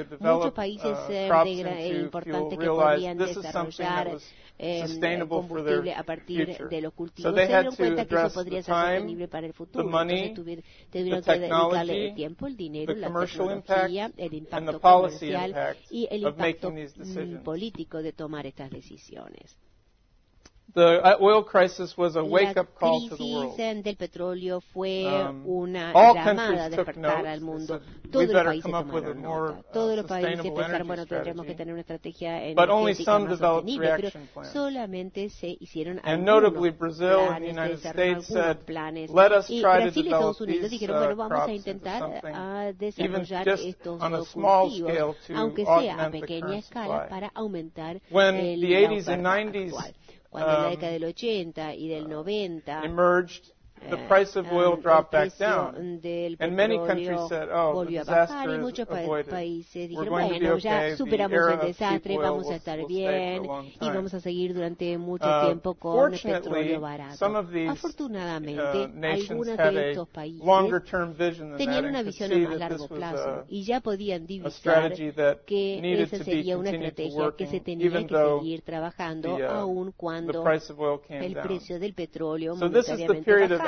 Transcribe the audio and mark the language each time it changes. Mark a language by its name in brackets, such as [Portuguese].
[Spanish] Muchos países importante que podían desarrollar combustible a partir de los cultivos. Se dieron cuenta que eso podría ser sostenible para el futuro. Tuvieron que dedicarle el tiempo, el dinero, la tecnología, el impacto comercial y el impacto político de tomar estas decisiones. [English] The oil crisis was a wake-up call to the world. [Spanish] La crisis del petróleo fue una llamada a despertar al mundo. Todos los países tomaron nota. Todos los países pensaron, bueno, tendremos que tener una estrategia energética más sostenible, pero solamente se hicieron algunos planes, y Brasil y Estados Unidos dijeron, bueno, vamos a intentar desarrollar estos cultivos, aunque sea a pequeña escala, para aumentar el oferta actual. Cuando en la década del 80 y del 90 [English] the price of oil dropped back down. And many countries said, oh, the disaster is avoided. [Spanish] Países dijeron, [English] we're going to be okay. [Spanish] Ya superamos el desastre, vamos a estar bien y vamos a seguir durante mucho tiempo con petróleo barato. Afortunadamente, algunos de estos países tenían una visión a más largo plazo y ya podían divisar que esa sería una estrategia que se tenía que seguir trabajando aun cuando el precio del petróleo monetariamente bajó.